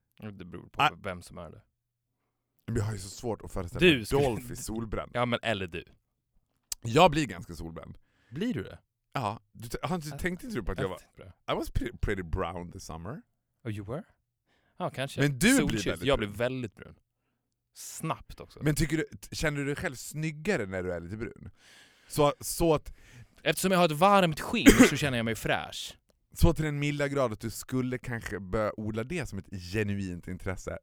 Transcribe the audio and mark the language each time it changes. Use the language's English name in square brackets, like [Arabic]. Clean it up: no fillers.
[Swedish] Det beror på vem som är det. Men jag har ju så svårt att föreställa mig Dolph i solbränd. Ja, men eller du. Jag blir ganska solbränd. Blir du det? Ja, tänkte inte du på att jag var... [English] I was pretty brown this summer. Oh, you were? [Swedish] Ja, kanske. Men du blir väldigt brun. Jag blir väldigt brun. Snabbt också. Men känner du dig själv snyggare när du är lite brun? Så att... Eftersom jag har ett varmt skinn så känner jag mig fräsch. Så till den milda grad att du skulle kanske börja odla det som ett genuint intresse.